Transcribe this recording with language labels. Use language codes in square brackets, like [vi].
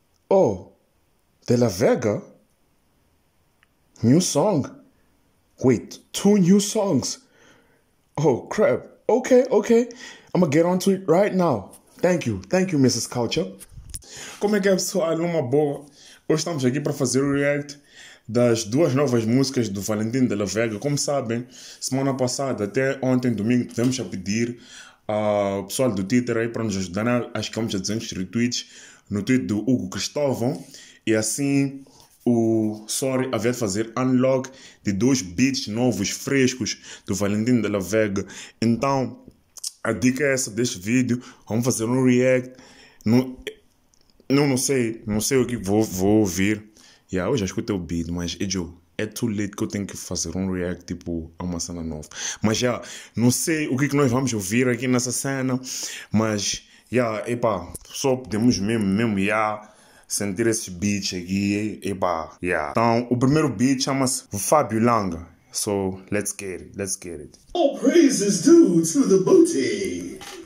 [en] Oh, De La Vega? New song? Wait, two new songs? Oh, crap. Okay. I'm gonna get onto it right now. Thank you. Thank you, Mrs. Culture. [pt] Como é que é, pessoal? Uma boa. Hoje estamos aqui para fazer o react das duas novas músicas do Valentino de la Vega. Como sabem, semana passada, até ontem, domingo, tivemos a pedir ao pessoal do Twitter aí para nos ajudar. Acho que vamos a 200 retweets no tweet do Hugo Cristóvão. E assim, o Sorry havia de fazer unlock de dois beats novos, frescos, do Valentino de la Vega. Então, a dica é essa deste vídeo. Vamos fazer um react no... Não sei o que vou ouvir. Yeah, eu já escutei o beat, mas Joe, é [en] too late [pt] que eu tenho que fazer um react tipo a uma cena nova. Mas já, não sei o que nós vamos ouvir aqui nessa cena. Mas já, epá, só podemos mesmo já sentir esse beat aqui. Epá, já. Então, o primeiro beat chama-se Fabio Langa. [en] So, let's get it. All praises due to the booty.